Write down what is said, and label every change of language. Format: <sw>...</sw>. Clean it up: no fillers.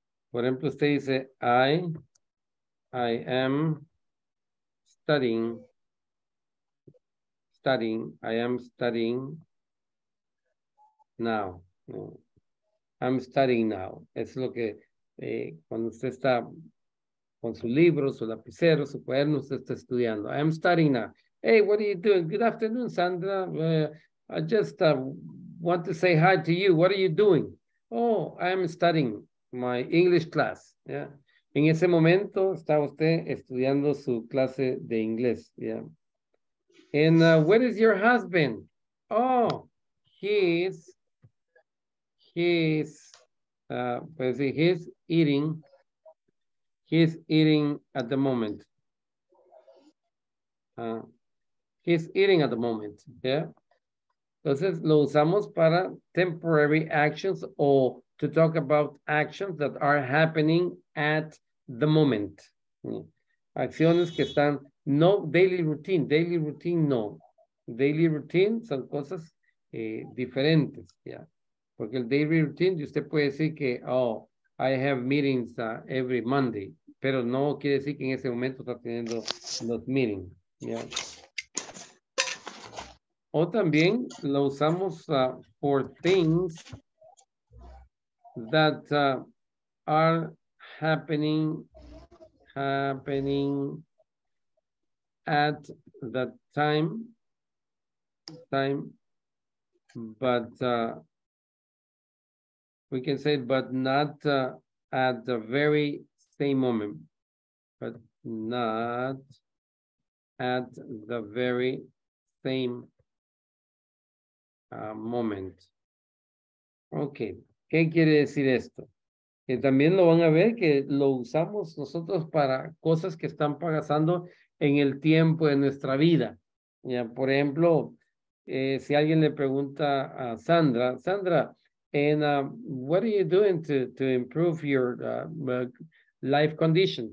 <es>Por ejemplo, usted dice,</es> <en>I am studying, I am studying now. I'm studying now.</en> <es>Es lo que cuando usted está con su libro, su lapicero, su cuaderno, usted está estudiando.</es> <en>I am studying now. Hey, what are you doing? Good afternoon, Sandra. I just want to say hi to you. What are you doing? Oh, I am studying my English class. Yeah.</en> <es>En ese momento está usted estudiando su clase de inglés.</es> <en>Yeah. And where is your husband? Oh, he's eating. He's eating at the moment. He's eating at the moment. Yeah.</en> <es>Entonces lo usamos para</es> <en>temporary actions</en> <es>o</es> <en>to talk about actions that are happening at the moment.</en> <es>Acciones que están, no daily routine. Daily routine, no. Daily routine son cosas diferentes. Yeah. Porque el daily routine, usted puede decir que,</es> <en>oh, I have meetings every Monday.</en> <es>Pero no quiere decir que en ese momento está teniendo los meetings.</es> <en>Yeah.</en> <es>O también lo usamos</es> <en>for things that are happening at that time, but we can say, but not at the very same moment, but not at the very same moment.</en> <es>Okay. ¿Qué quiere decir esto? Que también lo van a ver que lo usamos nosotros para cosas que están pasando en el tiempo de nuestra vida. Ya, por ejemplo, si alguien le pregunta a Sandra, Sandra,</es> <en>what are you doing to improve your life condition?</en>